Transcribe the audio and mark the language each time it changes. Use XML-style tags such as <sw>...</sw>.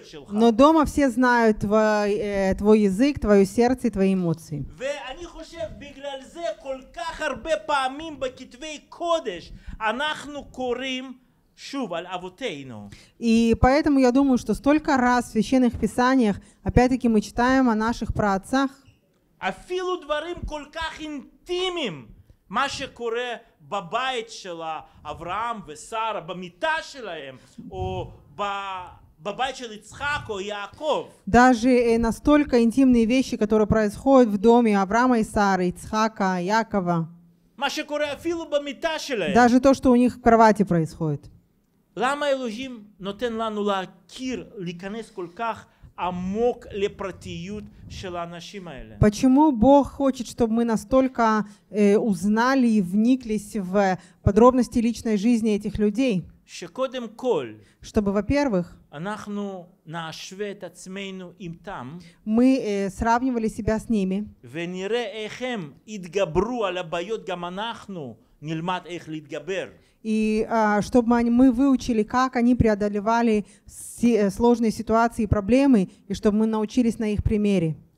<ru>Но дома все знают твой язык, твое сердце и твои эмоции.</ru> <he>ואני חושב בגלל זה כל כך הרבה פעמים בכתבי קודש אנחנו קוראים שוב על אבותינו.</he> <ru>И поэтому я думаю, что столько раз в священных писаниях опять-таки мы читаем о наших праотцах.</ru> <he>אפילו דברים כל כך אינטימיים, מה שקורה בבית של אברהם ושרה, במיטה שלהם, או בבית של יצחק או יעקב.</he> <ru>Даже настолько интимные вещи, которые происходят в доме Авраама и Сары, Ицхака, Якова.</ru> <he>מה שקורה אפילו במיטה שלהם.</he> <ru>Даже то, что у них в кровати происходит.</ru> <he>למה אלוהים נותן לנו להכיר, להיכנס כל כך עמוק לפרטיות של האנשים האלה?</he> <ru>Почему Бог хочет, чтобы мы настолько узнали и вниклись в подробности личной жизни этих людей?</ru> <he>שקודם כל,</he> <ru>чтобы, во-первых,</ru> <he>אנחנו נשווה את עצמנו עם там,</he> <ru>мы сравнивали себя с ними,</ru> <he>ונראה איך הם התגברו על הבעיות, גם אנחנו נלמד איך להתגבר.</he> <ru>И чтобы мы выучили, как они преодолевали сложные ситуации и проблемы, и чтобы мы научились на их примере.</ru>